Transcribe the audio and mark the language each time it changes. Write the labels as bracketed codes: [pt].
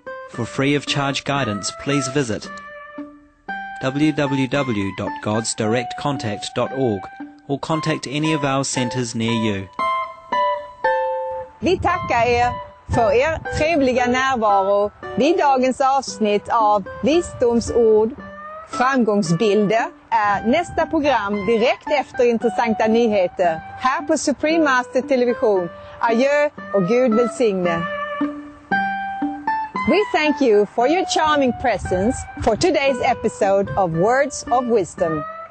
[en] For free of charge guidance, please visit www.godsdirectcontact.org or contact any of our centers near you. [sv] Vi tackar er för er trevliga närvaro vid dagens avsnitt av Visdomsord. Framgångsbilder är nästa program direkt efter intressanta nyheter här på Supreme Master Television. Adjö och Gud välsigne. [en] We thank you for your charming presence for today's episode of Words of Wisdom.